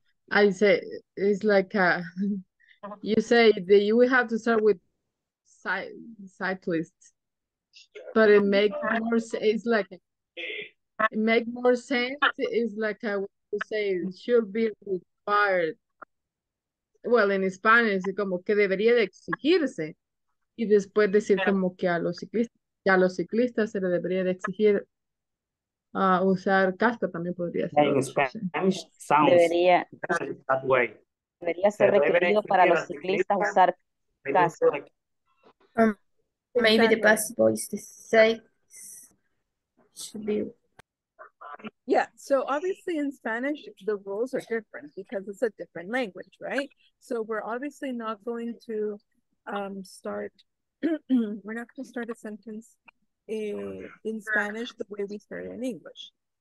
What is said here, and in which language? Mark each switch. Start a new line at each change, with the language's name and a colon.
English: I say it's like you say that you will have to start with cyclists, but it makes more sense. It's like it makes more sense. It's like I would say it should be required. Well, in Spanish,
Spanish: como que debería de exigirse. Y después decir como que a los ciclistas se le debería de exigir usar casco también podría ser.
English: In Spanish, sounds
Spanish: debería,
English: that way.
Spanish: Debería ser requerido para los ciclistas usar casco.
English: Maybe the best voice to say should be. Yeah, so obviously in Spanish, the rules are different because it's a different language, right? So we're obviously not going to we're not going to start a sentence in Spanish the way we start in English.